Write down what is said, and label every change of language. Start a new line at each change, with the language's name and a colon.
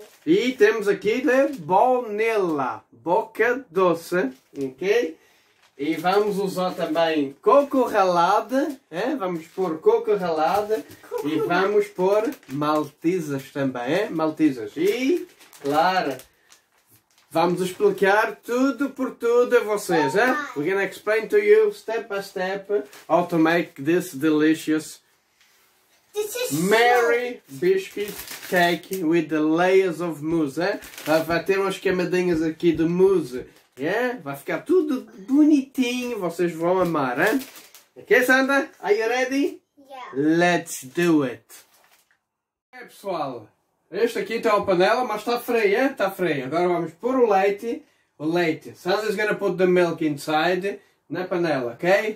Portuguese: E temos aqui de baunilha, boca doce, ok? E vamos usar também coco ralado, hein? Vamos pôr coco ralado e vamos pôr maltesas também, hein? Maltesas. E, claro, vamos explicar tudo por tudo a vocês, hein?
English: We're gonna explain to you step by step how to make this delicious Mary biscuit cake with the layers of mousse, hein?
Portuguese: Vai ter umas camadinhas aqui de mousse. Yeah, vai ficar tudo bonitinho, vocês vão amar, hein?
English: Ok, Sandra? Are you ready? Yeah. Let's do it. Ok, pessoal.
Portuguese: Este aqui está a panela, mas está fria, hein? Está fria. Agora vamos pôr o leite. O leite.
English: Sandra's gonna put the milk inside
Portuguese: na panela, ok?